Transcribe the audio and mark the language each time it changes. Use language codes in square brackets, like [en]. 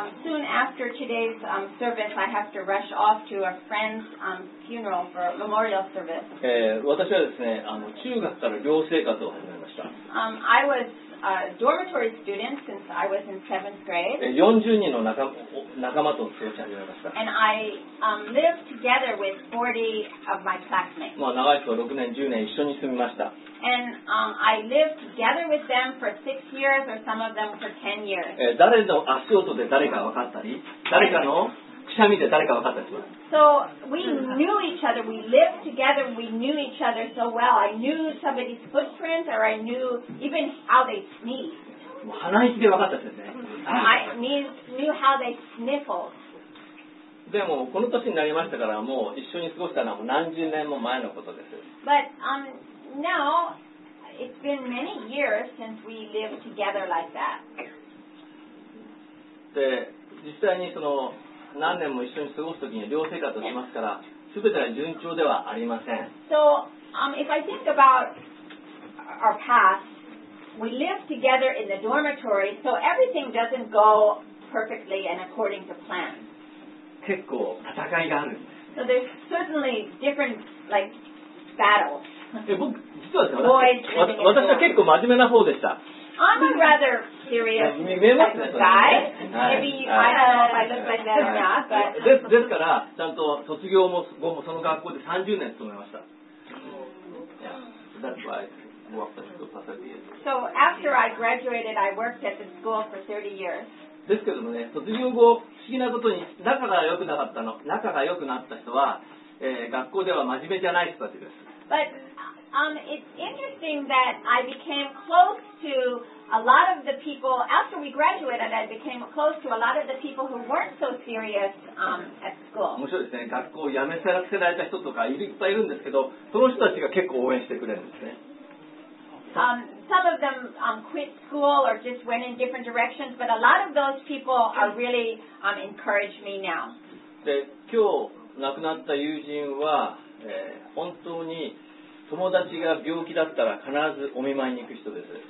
[en] Soon after today's service, I have to rush off to a friend's funeral for a memorial service. [ja] 私はですね、中学から寮生活を始めました。 [en] I was a dormitory student since I was in seventh grade. [ja] 40人の仲間と過ごし始めました。 [en] And I lived together with 40 of my classmates. [ja] まあ長い人は6年、10年一緒に住みました。 [en] And I lived together with them for 6 years or some of them for 10 years. [ja] 誰の足音で誰か分かったり、誰かのくしゃみで誰か分かったりします。 [en] So we knew each other. We lived together. We knew each other so well. I knew somebody's footprint or I knew even how they sneezed. [ja] 鼻息で分かったですね。 [en] I knew how they sniffled. [ja] でもこの年になりましたからもう一緒に過ごしたのは何十年も前のことです。 [en] But now it's been many years since we lived together like that. [ja] で実際にその何年も一緒に過ごすときに寮生活をしますから、全ては順調ではありません。 [en] So if I think about our past, we lived together in the dormitory, so everything doesn't go perfectly and according to plan. [ja] 結構戦いがあるんです。 [en] So there's certainly different like battles. [ja] 僕実はですね、私は結構真面目な方でした。 [en] I'm a rather serious type of guy. Maybe I don't know if I look like that or not. But [ja] ですからちゃんと卒業も後もその学校で30年勤めました。 [en] That's why I worked at the school for 30 years. So after I graduated, I worked at the school for 30 years. [ja] ですけどもね、卒業後、不思議なことに仲が良くなかったの、仲が良くなった人は、学校では真面目じゃない人たちです。 [en] But, it's interesting that I became close to a lot of the people, after we graduated, I became close to a lot of the people who weren't so serious, at school. [ja] 面白いですね。学校を辞めさせられた人とかいっぱいいるんですけど、その人たちが結構応援してくれるんですね。 [en] Some of them quit school or just went in different directions, but a lot of those people are really encourage me now. [ja] で、今日亡くなった友人は、本当に友達が病気だったら必ずお見舞いに行く人です。